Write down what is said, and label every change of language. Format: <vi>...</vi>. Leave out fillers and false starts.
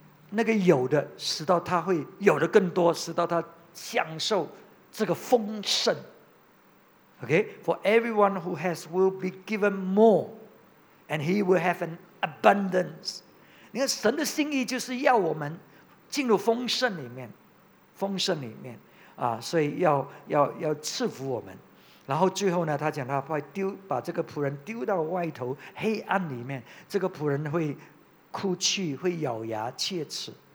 <zh>那个有的使到他会有的更多，使到他享受这个丰盛。</zh> <en>OK, For everyone who has will be given more, and he will have an abundance.</en> <zh>你看神的心意就是要我们进入丰盛里面，丰盛里面啊，所以要赐福我们。然后最后呢，他讲他会丢，把这个仆人丢到外头黑暗里面，这个仆人会哭泣，会咬牙切齿。</zh>